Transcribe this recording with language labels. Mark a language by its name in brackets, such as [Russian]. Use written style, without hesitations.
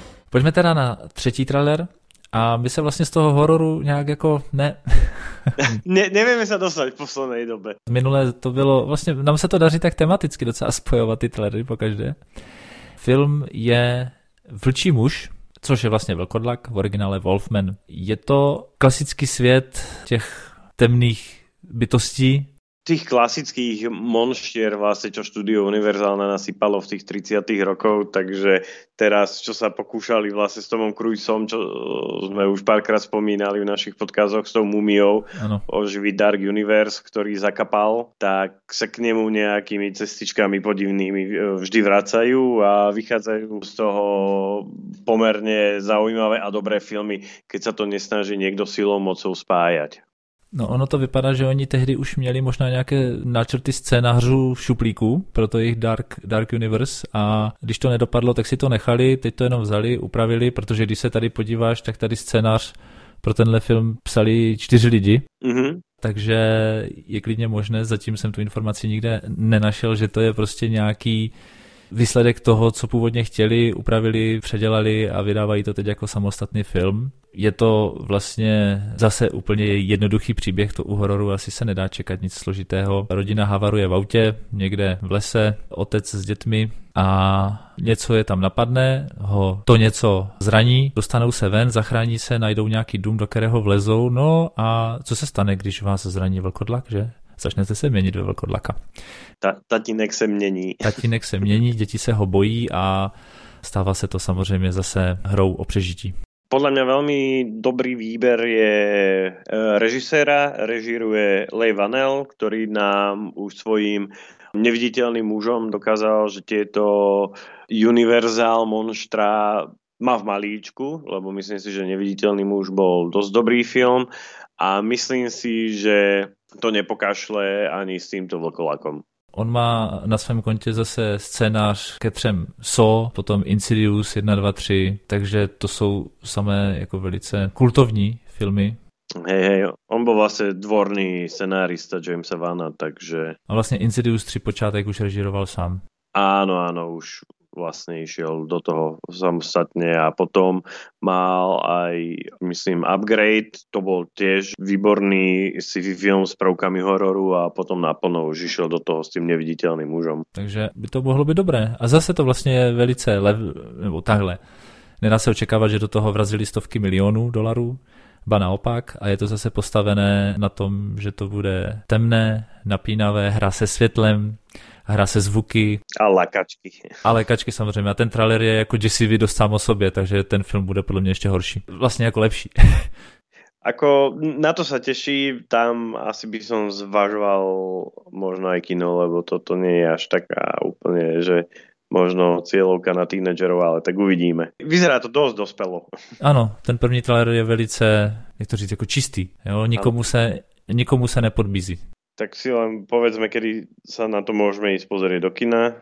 [Czech] Pojďme teda na třetí trailer. A my se vlastně z toho hororu nějak jako ne... [Slovak] Nevieme sa dostať v poslednej dobe. [Czech] Minulé to bylo, vlastne nám sa to daří tak tematicky docela spojovať ty trailery pokaždé. Film je Vlčí muž, což je vlastne vlkodlak, v originále Wolfman. Je to klasický svět těch temných bytostí. [Slovak] Tých klasických monštier vlastne, čo štúdio Universal nasypalo v tých 30. rokoch, takže teraz, čo sa pokúšali vlastne s Tomom Cruiseom, čo sme už párkrát spomínali v našich podcastoch s tou mumiou, oživiť Dark Universe, ktorý zakapal, tak sa k nemu nejakými cestičkami podivnými vždy vracajú a vychádzajú z toho pomerne zaujímavé a dobré filmy, keď sa to nesnaží niekto silou mocou spájať. [Czech] No ono to vypadá, že oni tehdy už měli možná nějaké náčrty scénářů v šuplíku pro to jejich Dark Universe a když to nedopadlo, tak si to nechali, teď to jenom vzali, upravili, protože když se tady podíváš, tak tady scénář pro tenhle film psali 4 lidi, mm-hmm. Takže je klidně možné, zatím jsem tu informaci nikde nenašel, že to je prostě nějaký výsledek toho, co původně chtěli, upravili, předělali a vydávají to teď jako samostatný film. Je to vlastně zase úplně jednoduchý příběh, to u hororu asi se nedá čekat nic složitého. Rodina havaruje v autě, někde v lese, otec s dětmi a něco je tam napadne, ho to něco zraní, dostanou se ven, zachrání se, najdou nějaký dům, do kterého vlezou, no a co se stane, když vás zraní vlkodlak, že? Začnete se měnit ve vlkodlaka. Tatínek se mění. Tatínek se mění, děti se ho bojí a stává se to samozřejmě zase hrou o přežití. [Slovak] Podľa mňa veľmi dobrý výber je režiséra, režiruje Leigh Whannell, ktorý nám už svojím neviditeľným mužom dokázal, že tieto Universal monštra má v malíčku, lebo myslím si, že neviditeľný muž bol dosť dobrý film a myslím si, že to nepokašle ani s týmto vlkolakom. [Czech] On má na svém kontě zase scénář ke třem Saw, potom Insidious 1, 2, 3, takže to jsou samé jako velice kultovní filmy. [Slovak] Hej, hej, on byl vlastně dvorný scenárista Jamesa Vanna, takže... [Czech] A vlastně Insidious 3 počátek už režíroval sám. [Slovak] Áno, áno, už vlastně šel do toho samostatně a potom mal aj, myslím, Upgrade, to byl tiež výborný sci-fi film s prvkami hororu a potom naplno už šel do toho [Czech] s tím neviditelným mužem. Takže by to mohlo být dobré. A zase to vlastně je velice nebo takhle. Nedá se očekávat, že do toho vrazili stovky milionů dolarů, ba naopak, a je to zase postavené na tom, že to bude temné, napínavé, hra se světlem, hra se zvuky. A lékačky. A lékačky samozřejmě. A ten trailer je jako děsivý dost sám o sobě, takže ten film bude podle mě ještě horší. Vlastně jako lepší. [Slovak] Ako na to sa teší, tam asi by som zvažoval možno aj kino, lebo toto nie je až taká úplne, že možno cieľovka na tínedžerov, ale tak uvidíme. Vyzerá to dosť dospelo. [Czech] Ano, ten první trailer je velice, jak to říct, jako čistý. Jo? Nikomu se nepodbízí. [Slovak] Tak si len povedzme, kedy sa na to môžeme ísť pozrieť do kina.